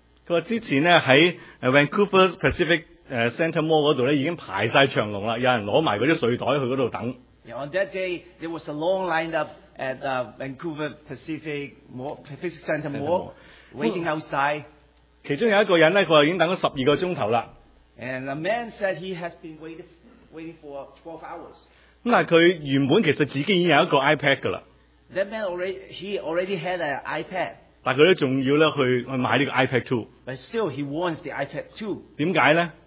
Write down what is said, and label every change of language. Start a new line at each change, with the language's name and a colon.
Cantonese: 佢話之前咧喺 Vancouver Pacific Center Mall 嗰度咧已經排曬長龍啦，有人攞埋嗰啲睡袋去嗰度等。
English: Yeah, on that day there was a long line up at Vancouver Pacific Center Mall waiting outside.
Cantonese: 其中有一個人咧，佢話已經等咗12個鐘頭啦。
English: And a man said he has been waiting for 12 hours.
Cantonese: 咁但係佢原本其實自己已經有一個 iPad 㗎啦。
English: That man already had an iPad.
Cantonese: 但佢都仲要咧去買呢個 iPad 2。
English: But still he wants the iPad 2.
Cantonese: 點解咧？